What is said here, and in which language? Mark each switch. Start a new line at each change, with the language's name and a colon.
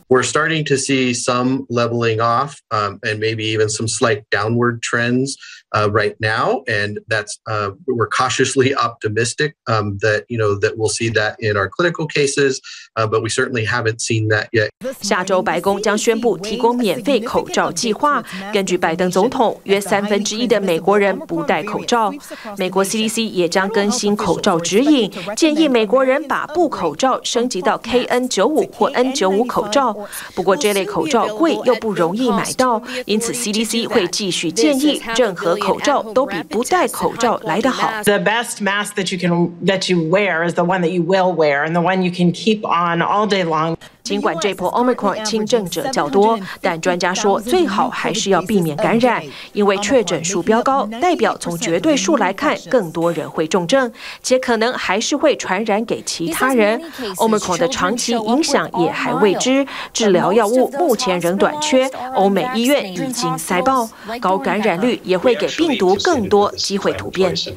English: We're starting to see some leveling off, and maybe even some slight downward trends, right now, and that's we're cautiously optimistic, that you know that we'll see that in our clinical cases, but we certainly haven't seen that yet.
Chinese: 下周白宫将宣布提供免费口罩计划。根据拜登总统，约1/3的美国人不戴口罩。美国 CDC 也将更新口罩指引，建议美国人把布口罩升级到 KN95 或 N95 口罩。不过这类口罩贵又不容易买到，因此 CDC 会继续建议，任何口罩都比不戴口罩来得好。
English: The best mask that you wear is the one that you will wear and the one you can keep on all day long.
Chinese: 尽管这波 Omicron 轻症者较多，但专家说最好还是要避免感染，因为确诊数飙高，代表从绝对数来看，更多人会重症，且可能还是会传染给其他人。 Omicron 的长期影响也还未知，治疗药物目前仍短缺，欧美医院已经塞爆，高感染率也会给病毒更多机会突变。